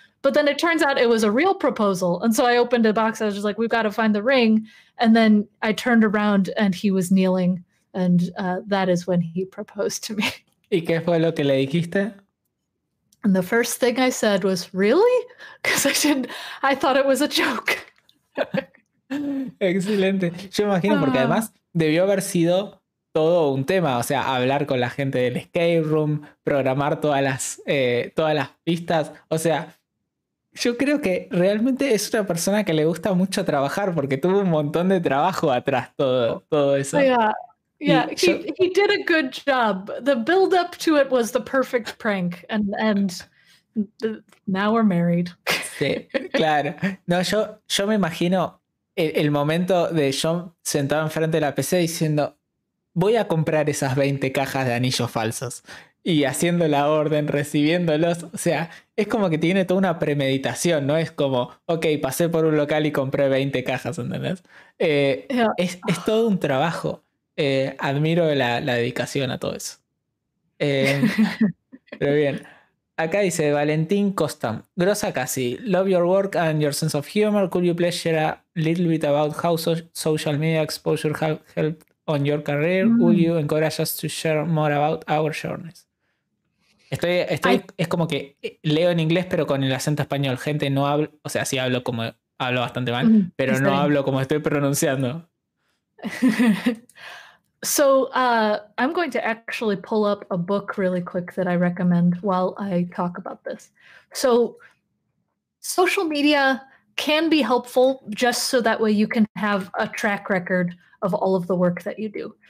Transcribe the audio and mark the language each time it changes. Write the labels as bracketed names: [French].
[English] But then it turns out it was a real proposal. And so I opened a box. I was just like, we've got to find the ring. And then I turned around and he was kneeling. And that is when he proposed to me. [Spanish] ¿Y qué fue lo que le dijiste? [English] And the first thing I said was, really? Because I thought it was a joke. [Spanish] Excelente. Yo imagino porque además debió haber sido todo un tema. O sea, hablar con la gente del escape room, programar todas las pistas. O sea, yo creo que realmente es una persona que le gusta mucho trabajar porque tuvo un montón de trabajo atrás todo eso. [English] He did a good job. The build up to it was the perfect prank and now we're married. [Spanish] Sí, claro. No, yo me imagino el momento de John sentado enfrente de la PC diciendo, voy a comprar esas 20 cajas de anillos falsos. Y haciendo la orden, recibiéndolos. O sea, es como que tiene toda una premeditación, ¿no? Es como, ok, pasé por un local y compré 20 cajas, ¿entendés? Es todo un trabajo. Admiro la dedicación a todo eso. pero bien. Acá dice Valentín Costam. Grosa casi. [English] Love your work and your sense of humor. Could you please share a little bit about how social media exposure have helped on your career? Would you encourage us to share more about our journeys? [Spanish] Es como que leo en inglés, pero con el acento español. Gente, no hablo. O sea, sí hablo como. Hablo bastante mal, pero no hablo como estoy pronunciando. [English] So I'm going to actually pull up a book really quick that I recommend while I talk about this. So social media can be helpful just so that way you can have a track record of all of the work that you do.